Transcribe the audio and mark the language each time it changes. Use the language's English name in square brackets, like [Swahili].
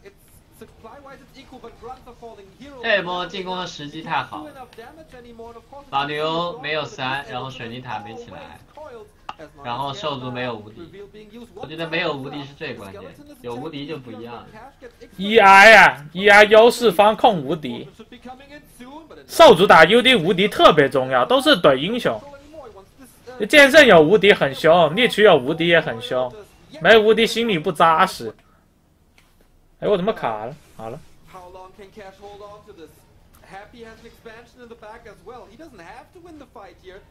[English] It's supply wise it's equal, but grunts are falling. Hero. [Chinese] 这波进攻的时机太好。老牛没有三，然后水泥塔没起来，然后兽族没有无敌。我觉得没有无敌是最关键，有无敌就不一样了。EI 啊 ，EI 优势方控无敌。兽族打 UD 无敌特别重要，都是怼英雄。剑圣有无敌很凶，猎取有无敌也很凶。没无敌心里不扎实。哎，我怎么卡了？好了。 [English] How long can Cash hold on to this? Happy has an expansion in the back as well. He doesn't have to win the fight here.